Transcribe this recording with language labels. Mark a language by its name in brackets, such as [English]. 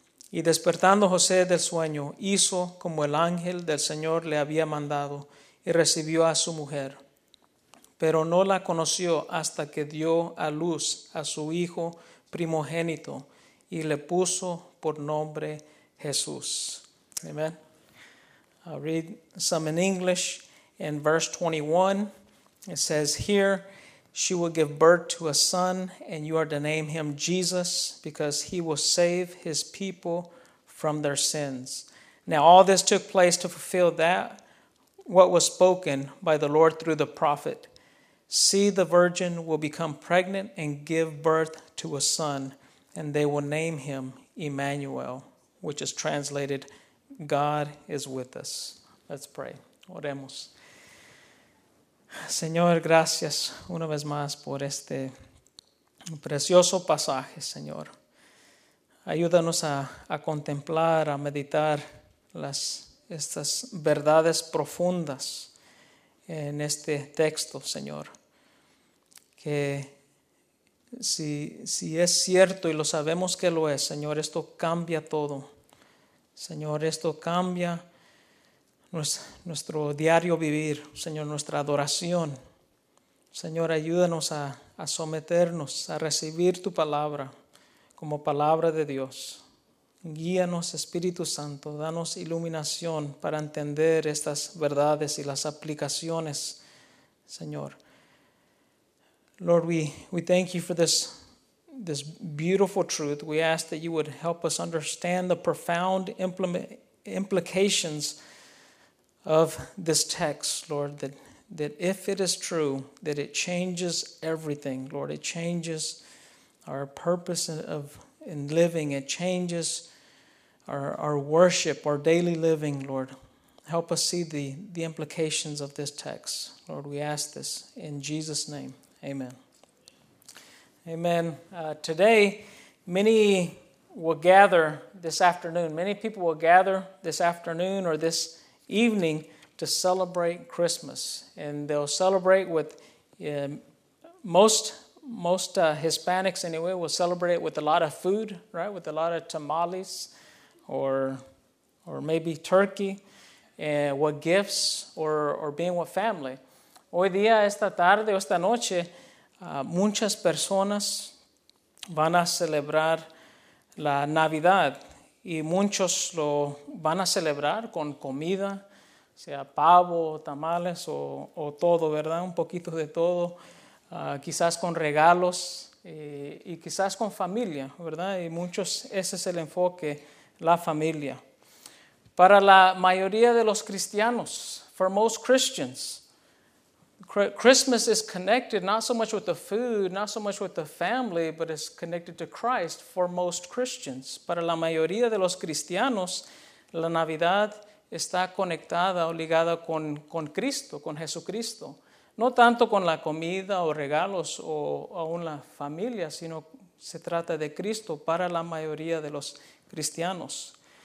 [Spanish] Y despertando José del sueño, hizo como el ángel del Señor le había mandado, y recibió a su mujer. Pero no la conoció hasta que dio a luz a su hijo primogénito, y le puso por nombre Jesús. Amen. [English] I'll read some in English in verse 21. It says here, she will give birth to a son, and you are to name him Jesus, because he will save his people from their sins. Now, all this took place to fulfill that what was spoken by the Lord through the prophet. See, the virgin will become pregnant and give birth to a son, and they will name him Emmanuel, which is translated, God is with us. Let's pray. [Spanish] Oremos. Señor, gracias una vez más por este precioso pasaje, Señor. Ayúdanos a contemplar, a meditar estas verdades profundas en este texto, Señor. Que si es cierto y lo sabemos que lo es, Señor, esto cambia todo. Señor, esto cambia nuestro diario vivir, Señor, nuestra adoración. Señor, ayúdanos a someternos, a recibir tu palabra como palabra de Dios. Guíanos, Espíritu Santo, danos iluminación para entender estas verdades y las aplicaciones, Señor. [English] Lord, we thank you for this beautiful truth. We ask that you would help us understand the profound implications of this text, Lord, that if it is true, that it changes everything, Lord. It changes our purpose in living. It changes our worship, our daily living, Lord. Help us see the implications of this text. Lord, we ask this in Jesus' name. Amen. Amen. Today, many will gather this afternoon. Many people will gather this afternoon or this evening to celebrate Christmas, and they'll celebrate with most Hispanics anyway will celebrate with a lot of food, right? With a lot of tamales, or maybe turkey, and with gifts, or being with family. [Spanish] Hoy día, esta tarde o esta noche, muchas personas van a celebrar la Navidad. Y muchos lo van a celebrar con comida, sea pavo, tamales o todo, ¿verdad? Un poquito de todo, quizás con regalos y quizás con familia, ¿verdad? Y muchos, ese es el enfoque, la familia. Para la mayoría de los cristianos, [English] for most Christians, Christmas is connected not so much with the food, not so much with the family, but it's connected to Christ for most Christians. [Spanish] Para la mayoría de los cristianos, la Navidad está conectada o ligada con Cristo, con Jesucristo. No tanto con la comida o regalos o aún la familia, sino se trata de Cristo para la mayoría de los cristianos.